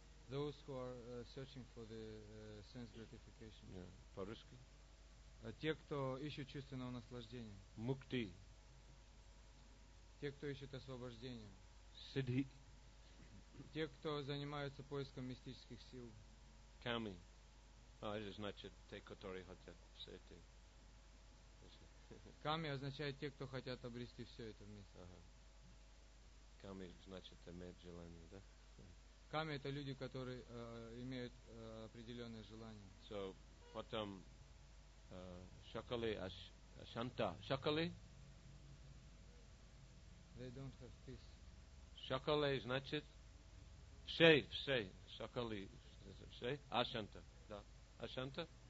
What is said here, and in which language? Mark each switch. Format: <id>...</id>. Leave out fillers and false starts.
<en>Those who are searching for the sense gratification.</en> <ru>Yeah. По-русски? Те, кто ищут чувственного наслаждения.</ru> <sa>Mukti.</sa> <ru>Те, кто ищут освобождения.</ru> <sa>Siddhi.</sa> <ru>Те, кто занимаются поиском мистических сил.</ru> <sa>Kami.</sa> <ru>Oh, это значит те, которые хотят все это. Kami означает те, кто хотят обрести все это вместе. Kami значит иметь желание, да? Kami это люди, которые имеют определенное желание. So, потом Shakali Ashanta.</ru> <sa>Shakali?</sa> <en>They don't have peace.</en> <ru>Shakali значит Say, say, Shakali, say, Ashanta, да, Ashanta?</ru>